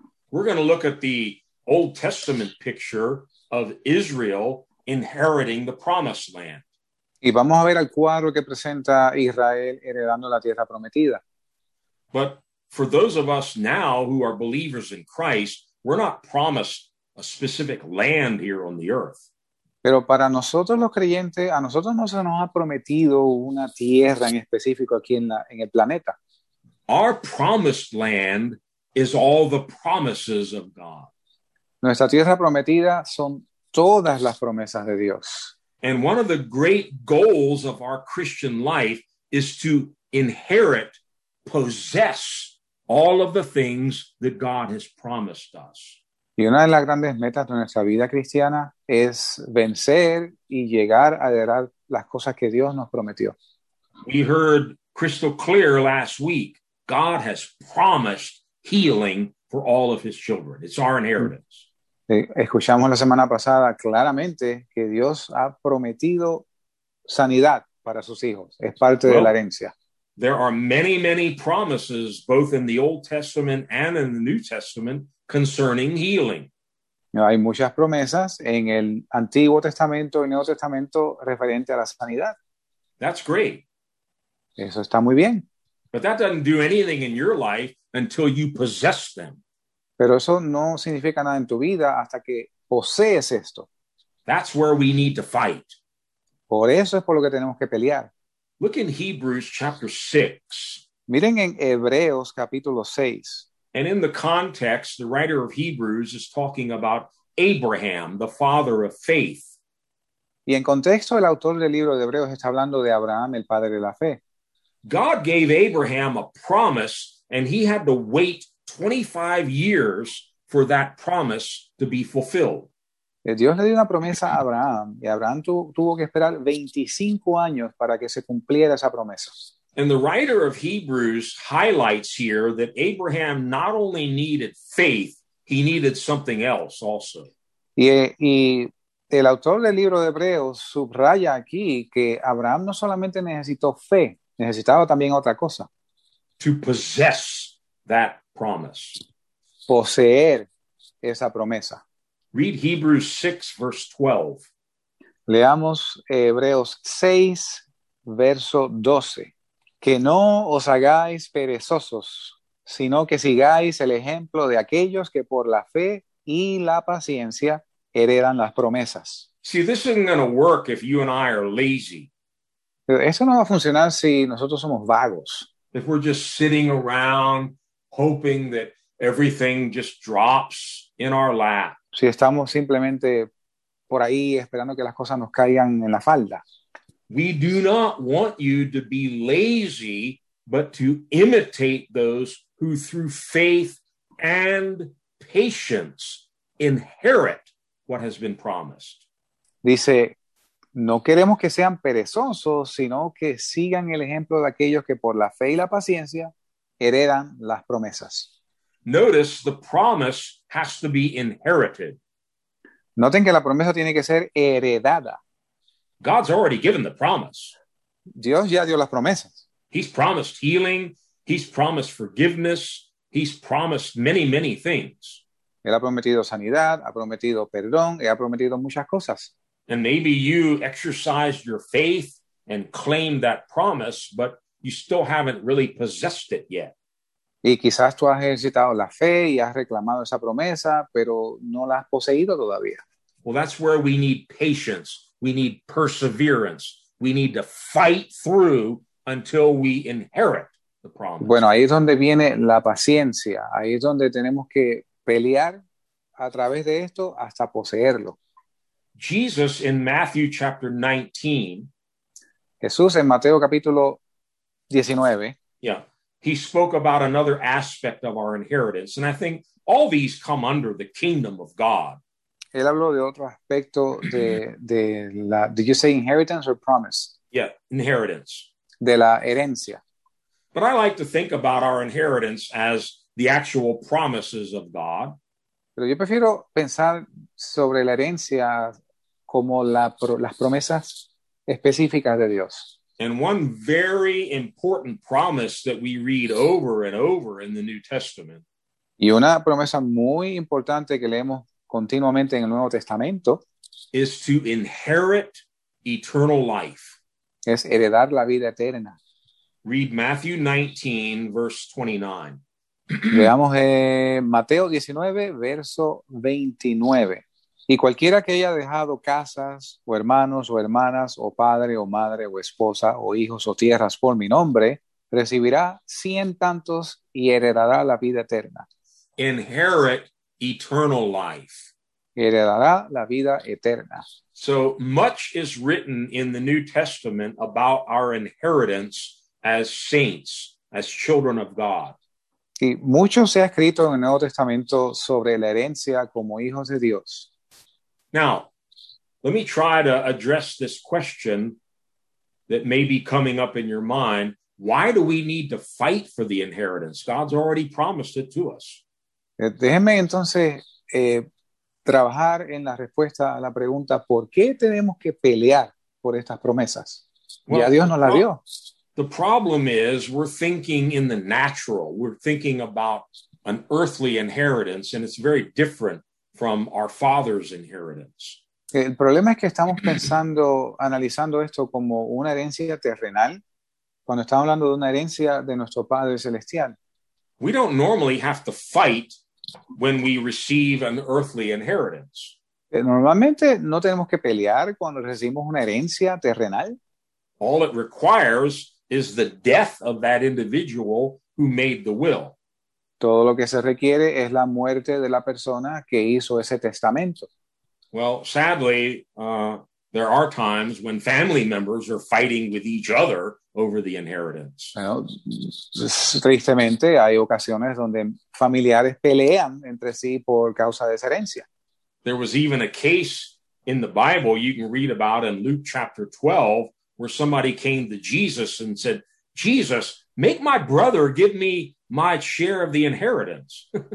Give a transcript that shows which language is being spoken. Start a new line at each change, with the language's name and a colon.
English: We're going to look at the Old Testament picture of Israel inheriting the promised land.
Spanish: Y vamos a ver el cuadro que presenta Israel heredando la tierra prometida.
English: But for those of us now who are believers in Christ, we're not promised a specific land here on the earth.
Spanish: Pero para nosotros los creyentes, a nosotros no se nos ha prometido una tierra en específico aquí en el planeta.
English: Our promised land is all the promises of God.
Spanish: Nuestra tierra prometida son todas las promesas de Dios.
English: And one of the great goals of our Christian life is to inherit, possess all of the things that God has promised us.
Spanish: Y una de las grandes metas de nuestra vida cristiana es vencer y llegar a heredar las cosas que Dios nos prometió.
English: We heard crystal clear last week, God has promised healing for all of his children. It's our inheritance.
Spanish: Escuchamos la semana pasada claramente que Dios ha prometido sanidad para sus hijos. Es parte de la herencia.
English: There are many, many promises both in the Old Testament and in the New Testament concerning healing.
Spanish: Hay muchas promesas en el Antiguo Testamento y Nuevo Testamento referente a la sanidad.
English: That's great.
Spanish: Eso está muy bien.
English: But that doesn't do anything in your life until you possess them.
Spanish: Pero eso no significa nada en tu vida hasta que posees esto.
English: That's where we need to fight.
Spanish: Por eso es por lo que tenemos que pelear.
English: Look in Hebrews chapter 6.
Spanish: Miren en Hebreos capítulo 6.
English: And in the context, the writer of Hebrews is talking about Abraham, the father of faith.
Spanish: Y en contexto, el autor del libro de Hebreos está hablando de Abraham, el padre de la fe.
English: God gave Abraham a promise, and he had to wait 25 years for that promise to be fulfilled.
Spanish: Dios le dio una promesa a Abraham, y Abraham tuvo que esperar 25 años para que se cumpliera esa promesa.
English: And the writer of Hebrews highlights here that Abraham not only needed faith, he needed something else also.
Spanish: Y el autor del libro de Hebreos subraya aquí que Abraham no solamente necesitó fe, necesitaba también otra cosa.
English: To possess that promise.
Spanish: Poseer esa promesa.
English: Read Hebrews 6, verse 12.
Spanish: Leamos Hebreos 6, verso 12. Que no os hagáis perezosos, sino que sigáis el ejemplo de aquellos que por la fe y la paciencia heredan las promesas.
English: See, this isn't going to work if you and I are lazy.
Spanish: Eso no va a funcionar si nosotros somos vagos.
English: If we're just sitting around hoping that everything just drops in our lap.
Spanish: Si estamos simplemente por ahí esperando que las cosas nos caigan en la falda.
English: We do not want you to be lazy, but to imitate those who through faith and patience inherit what has been promised.
Spanish: Dice, no queremos que sean perezosos, sino que sigan el ejemplo de aquellos que por la fe y la paciencia heredan las promesas.
English: Notice the promise has to be inherited.
Spanish: Noten que la promesa tiene que ser heredada.
English: God's already given the promise.
Spanish: Dios ya dio las promesas.
English: He's promised healing. He's promised forgiveness. He's promised many, many things.
Spanish: Él ha prometido sanidad, ha prometido perdón, y ha prometido muchas cosas.
English: And maybe you exercised your faith and claimed that promise, but you still haven't really possessed it yet.
Spanish: Y quizás tú has ejercitado la fe y has reclamado esa promesa, pero no la has poseído todavía.
English: Well, that's where we need patience. We need perseverance. We need to fight through until we inherit the promise.
Spanish: Bueno, ahí es donde viene la paciencia. Ahí es donde tenemos que pelear a través de esto hasta poseerlo.
English: Jesus in Matthew chapter 19.
Spanish: Jesús en Mateo capítulo 19.
English: Yeah. He spoke about another aspect of our inheritance. And I think all these come under the kingdom of God.
Spanish: Él habló de otro aspecto de la,
English: did you say inheritance or promise? Yeah, inheritance.
Spanish: De la herencia.
English: But I like to think about our inheritance as the actual promises of God.
Spanish: Pero yo prefiero pensar sobre la herencia como las promesas específicas de Dios.
English: And one very important promise that we read over and over in the New Testament.
Spanish: Y una promesa muy importante que leemos continuamente en el Nuevo Testamento.
English: Is to inherit eternal life.
Spanish: Es heredar la vida eterna.
English: Read Matthew 19, verse 29.
Spanish: Veamos Mateo 19, verso 29. Y cualquiera que haya dejado casas, o hermanos, o hermanas, o padre, o madre, o esposa, o hijos, o tierras por mi nombre, recibirá 100 tantos y heredará la vida eterna.
English: Inherit eternal life.
Spanish: Heredará la vida eterna.
English: So much is written in the New Testament about our inheritance as saints, as children of God.
Spanish: Y mucho se ha escrito en el Nuevo Testamento sobre la herencia como hijos de Dios.
English: Now, let me try to address this question that may be coming up in your mind. Why do we need to fight for the inheritance? God's already promised it to us.
Spanish: Déjeme entonces trabajar en la respuesta a la pregunta, ¿por qué tenemos que pelear por estas promesas? Well, ya Dios nos las dio.
English: The problem is we're thinking in the natural. We're thinking about an earthly inheritance, and it's very different from our father's inheritance.
Spanish: El problema es que estamos pensando, analizando esto como una herencia terrenal, cuando estamos hablando de una herencia de nuestro Padre Celestial.
English: We don't normally have to fight when we receive an earthly inheritance.
Spanish: Normalmente no tenemos que pelear cuando recibimos una herencia terrenal.
English: All it requires is the death of that individual who made the will.
Spanish: Todo lo que se requiere es la muerte de la persona que hizo ese testamento.
English: Well, sadly, there are times when family members are fighting with each other over the inheritance.
Spanish: Bueno, tristemente, hay ocasiones donde familiares pelean entre sí por causa de esa herencia.
English: There was even a case in the Bible you can read about in Luke chapter 12 where somebody came to Jesus and said, Jesus, make my brother give me my share of the inheritance.